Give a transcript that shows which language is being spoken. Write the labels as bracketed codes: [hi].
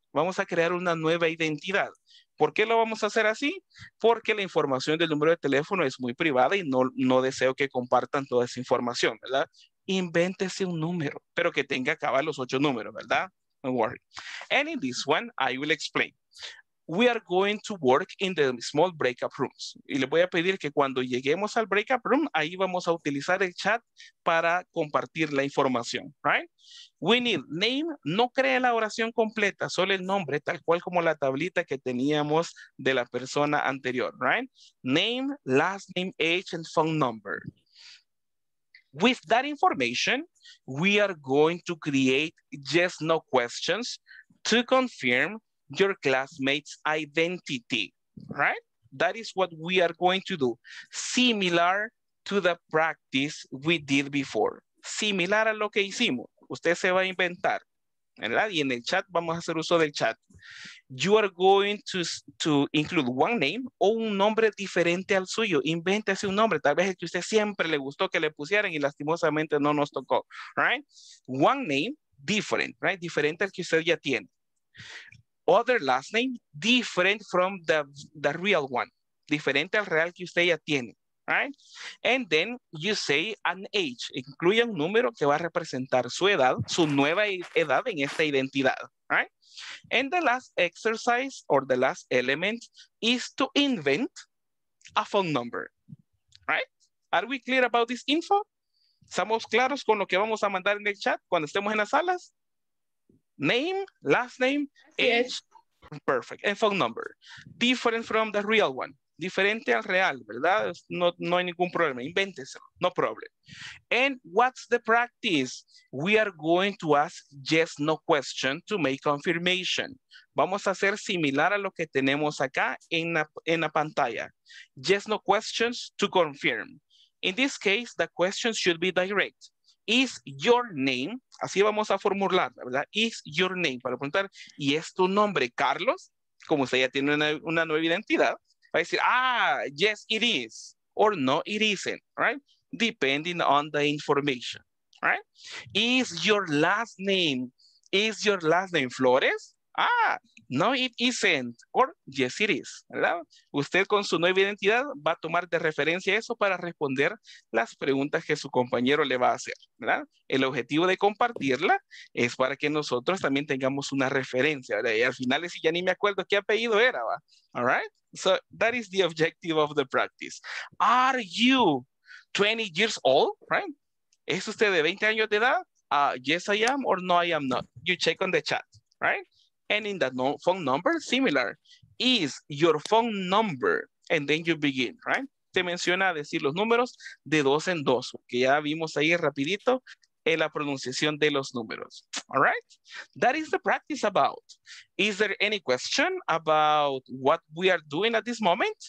[es] Vamos a crear una nueva identidad. ¿Por qué lo vamos a hacer así? Porque la información del número de teléfono es muy privada y no deseo que compartan toda esa información, ¿verdad? Invéntese un número, pero que tenga acaba los 8 números, ¿verdad? [en] Don't worry. And in this one, I will explain. We are going to work in the small breakup rooms. [es] Y le voy a pedir que cuando lleguemos al breakup room, ahí vamos a utilizar el chat para compartir la información, right? [en] We need name, [es] no cree la oración completa, solo el nombre, tal cual como la tablita que teníamos de la persona anterior, right? [en] Name, last name, age, and phone number. With that information, we are going to create yes, no questions to confirm your classmate's identity, right? That is what we are going to do. Similar to the practice we did before. [es] Similar a lo que hicimos. Usted se va a inventar, ¿verdad? Y en el chat vamos a hacer uso del chat. [en] You are going to include one name [es] o un nombre diferente al suyo. Invéntese un nombre. Tal vez el que usted siempre le gustó que le pusieran y lastimosamente no nos tocó, right? [en] One name, different, [es] right? Diferente al que usted ya tiene. [en] Other last name, different from the real one. [es] Diferente al real que usted ya tiene, [en] right? And then you say an age. [es] Incluye un número que va a representar su edad, su nueva edad en esta identidad, right? [en] And the last exercise or the last element is to invent a phone number, right? Are we clear about this info? [es] ¿Estamos claros con lo que vamos a mandar en el chat cuando estemos en las salas? [en] Name, last name, age, perfect, and phone number. Different from the real one. [es] Diferente al real, ¿verdad? No hay ningún problema. Invéntese, [en] no problem. And what's the practice? We are going to ask yes, no question to make confirmation. [es] Vamos a hacer similar a lo que tenemos acá en la pantalla. [en] Yes, no questions to confirm. In this case, the questions should be direct. Is your name, [es] así vamos a formular, ¿verdad? Is your name, para preguntar, ¿y es tu nombre, Carlos? Como usted ya tiene una nueva identidad, va a decir, [en] yes, it is, or no, it isn't, [es] right? [en] Depending on the information, right? Is your last name Flores? No, it isn't, or yes, it is, ¿verdad? [es] Usted con su nueva identidad va a tomar de referencia eso para responder las preguntas que su compañero le va a hacer, ¿verdad? El objetivo de compartirla es para que nosotros también tengamos una referencia, ¿verdad? Y al final es, ya ni me acuerdo qué apellido era, ¿va? [en] All right? So that is the objective of the practice. Are you 20 years old, [es] right? ¿Es usted de 20 años de edad? [en] Yes, I am, or no, I am not. You check on the chat, right? And in that phone number, similar, is your phone number, and then you begin, right? [es] Te menciona decir los números de dos en dos, que ya vimos ahí rapidito en la pronunciación de los números, all right? [en] That is the practice about. Is there any question about what we are doing at this moment?